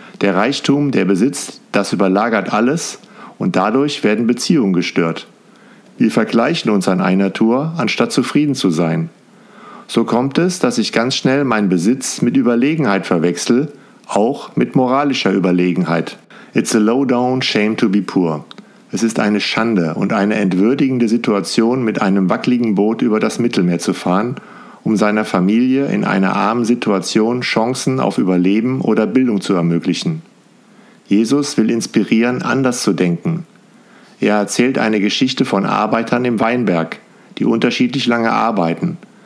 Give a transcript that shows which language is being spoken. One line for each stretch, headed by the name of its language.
German: Der Reichtum, der Besitz, das überlagert alles und dadurch werden Beziehungen gestört. Wir vergleichen uns an einer Tour, anstatt zufrieden zu sein. So kommt es, dass ich ganz schnell meinen Besitz mit Überlegenheit verwechsel, auch mit moralischer Überlegenheit.
English: It's a low down shame to be poor.
German: Es ist eine Schande und eine entwürdigende Situation, mit einem wackeligen Boot über das Mittelmeer zu fahren, um seiner Familie in einer armen Situation Chancen auf Überleben oder Bildung zu ermöglichen. Jesus will inspirieren, anders zu denken. Er erzählt eine Geschichte von Arbeitern im Weinberg, die unterschiedlich lange arbeiten.